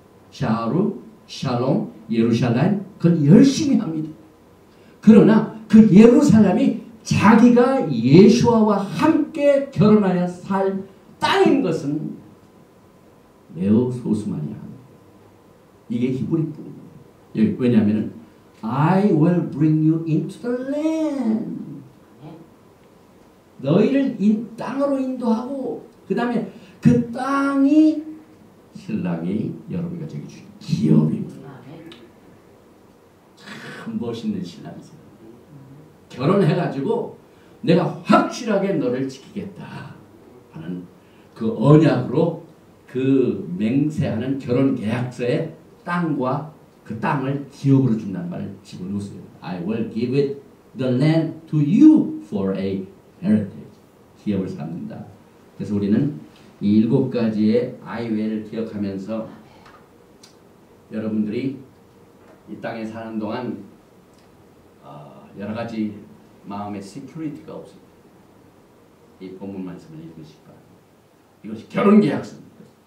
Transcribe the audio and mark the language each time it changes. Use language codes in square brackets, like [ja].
[ko] 샤루, 샬롬, 예루살렘 그걸 열심히 합니다. 그러나 그 예루살렘이 자기가 예수와 함께 결혼하여 살 땅인 것은 매우 소수만이야. 이게 히브리 뿐입니다. 왜냐하면은 [en] I will bring you into the land. [ko] 너희를 이 땅으로 인도하고 그 다음에 그 땅이 신랑이 여러분과 저기 주신 기업입니다. 참 멋있는 신랑이세요. 결혼해가지고 내가 확실하게 너를 지키겠다 하는 그 언약으로 그 맹세하는 결혼 계약서에 땅과 그 땅을 기업으로 준단 말을 집어넣으세요. [en] I will give it the land to you for a heritage. [ko] 기업을 삼는다. 그래서 우리는 이 일곱 가지의 I will을 기억하면서 여러분들이 이 땅에 사는 동안 여러 가지 마음의 시큐리티가 없습니다. 이 본문 말씀을 읽으실 거예요. 이것이 결혼 계약서입니다.